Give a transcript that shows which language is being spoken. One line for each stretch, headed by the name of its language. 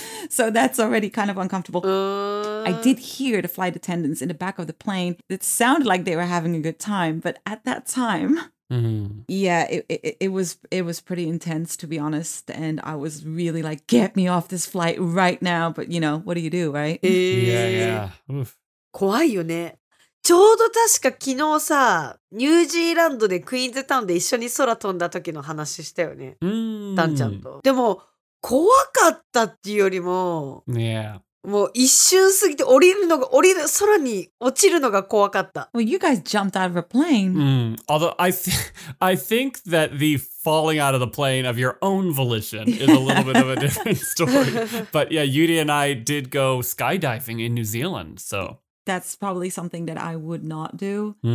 English: So that's already kind of uncomfortable. I did hear the flight attendants in the back of the plane. It sounded like they were having a good time. But at that time, yeah, it was pretty intense, to be honest. And I was really like, get me off this flight right now. But, you know, what do you do, right? Yeah.
Japanese: 怖いよね。ちょうど確か昨日さ、ニュージーランドでクイーンズタウンで一緒に空飛んだ時の話したよね。ダンちゃんと。でも、怖かったっていうよりも、もう一瞬過ぎて降りる、空に落ちるのが怖かった。
English: Well, you guys jumped out of a plane. Although I think that the falling out of the plane of your own volition is a little bit of a different story. But yeah, Yuri and I did go skydiving in New Zealand, so... That's probably something that I would not do.